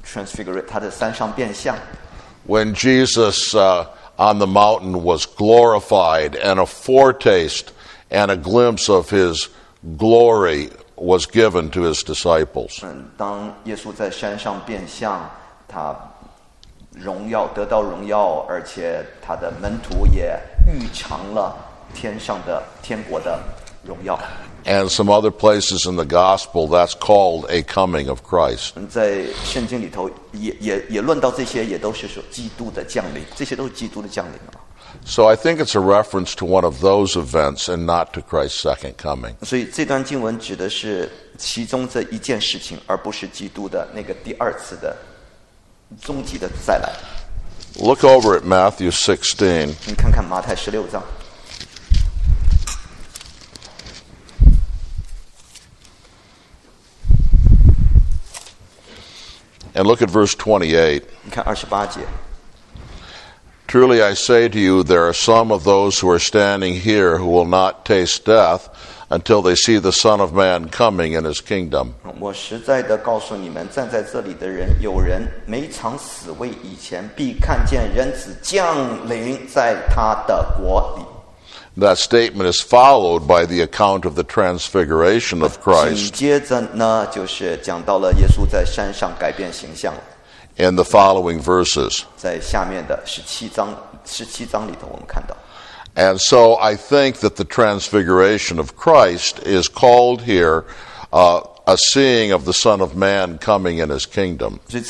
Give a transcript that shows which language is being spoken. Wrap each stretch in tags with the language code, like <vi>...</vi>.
<zh>或许这指的是他的山上变相。</zh> <en>When Jesus on the mountain was glorified and a foretaste and a glimpse of his glory was given to his disciples.</en> <zh>当耶稣在山上变相，他 荣耀得到荣耀，而且他的门徒也预尝了天上的天国的荣耀。And</zh> <en>some other places in the gospel, that's called a coming of Christ.</en> <zh>在圣经里头也论到这些，也都是说基督的降临，这些都是基督的降临了。So</zh> <en>I think it's a reference to one of those events and not to Christ's second coming.</en> <zh>所以这段经文指的是其中这一件事情，而不是基督的那个第二次的。</zh> <en>Look over at Matthew 16.</en> <zh>你看看马太16章。</zh> <en>And look at verse 28.</en> <zh>你看28节。</zh> <en>Truly I say to you, there are some of those who are standing here who will not taste death until they see the Son of Man coming in his kingdom.</en> <zh>我实在地告诉你们，站在这里的人，有人没尝死味以前，必看见人子降临在他的国里。</zh> <en>That statement is followed by the account of the transfiguration of Christ.</en> <zh>紧接着呢，就是讲到了耶稣在山上改变形象。In</zh> <en>the following verses.</en> <zh>在下面的十七章里头，我们看到。</zh> <en>And so I think that the transfiguration of Christ is called here a seeing of the Son of Man coming in his kingdom.</en>